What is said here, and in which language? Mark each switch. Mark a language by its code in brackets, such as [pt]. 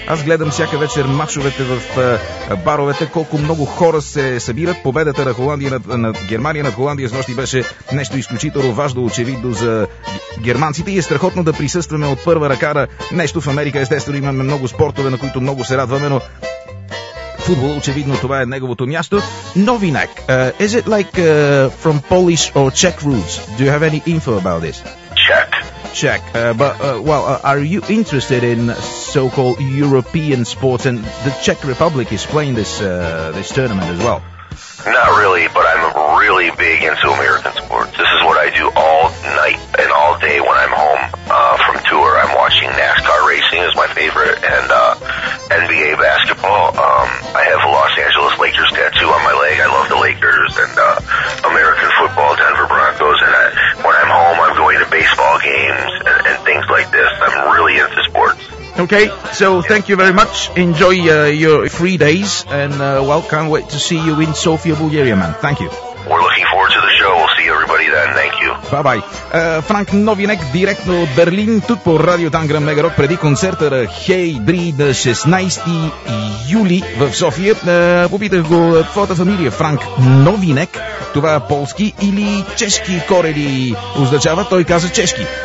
[bg] Аз гледам всяка вечер матчовете в баровете, колко много хора се събират. Победата на Холандия над Германия, над Холандия с нощи беше нещо изключително важно, очевидно за германците, и е страхотно да присъстваме от първа ръка на нещо в Америка. Естествено, имаме много спортове, на които много се радваме, но футбол, очевидно, това е неговото място. [en] Novinek, is it like from Polish or Czech roots? Do you have any info about this? Czech, but are you interested in so-called European sports, and the Czech Republic is playing this tournament as well? Not really, but I'm really big into American sports. This is what I do all night and all day when I'm home from tour. I'm watching NASCAR racing is my favorite, and NBA basketball. I have a Los Angeles Lakers tattoo on my leg. I love the Lakers, and American football, Denver Broncos, and when I'm home, I'm going to baseball games and things like this. I'm really into sports. Okay, so thank you very much. Enjoy your free days, and well, can't wait to see you in Sofia, Bulgaria, man. Thank you. We're looking forward to the show. We'll see everybody then. Thank you. Bye-bye. [bg] Франк Новинек, директно от Берлин, тук по Радио Тангра Мега Рок, преди концерта на Hey Breed на 16 юли в София. Попитах го твоята фамилия, Франк Новинек. Това е полски или чешки корени означава? Той каза чешки.